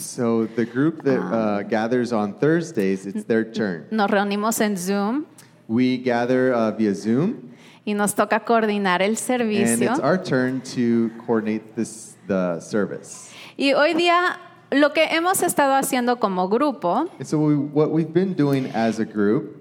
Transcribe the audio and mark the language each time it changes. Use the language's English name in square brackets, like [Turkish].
[English] So the group that gathers on Thursdays, it's their turn. [Spanish] Nos reunimos en Zoom. [English] We gather via Zoom. [Spanish] Y nos toca coordinar el servicio. [English] And it's our turn to coordinate the service. [Spanish] Y hoy día lo que hemos estado haciendo como grupo, [English] and so what we've been doing as a group,